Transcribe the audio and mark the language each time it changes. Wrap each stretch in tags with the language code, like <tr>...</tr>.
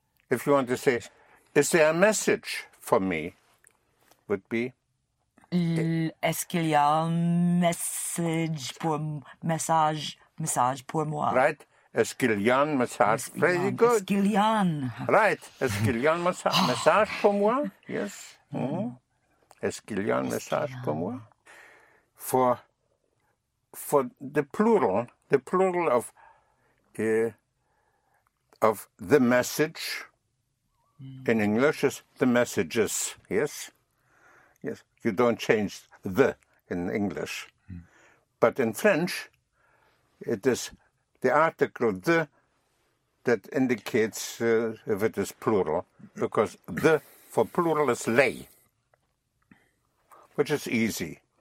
<en>If you want to say, is there a message for me? Would be?</en> <fr>Est-ce qu'il y a un message pour moi? Right? Est-ce qu'il y a un message?</fr> <en>Very good.</en> <fr>Est-ce qu'il y a un?</fr> <en>Right.</en> <fr>Est-ce qu'il y a un message pour moi? Yes. Est-ce qu'il y a un message pour moi?</fr> <en>For the plural of of the message in English is the messages, yes? Yes, you don't change the in English. But in French, it is the article the that indicates if it is plural, because the for plural is les, which is easy.</en>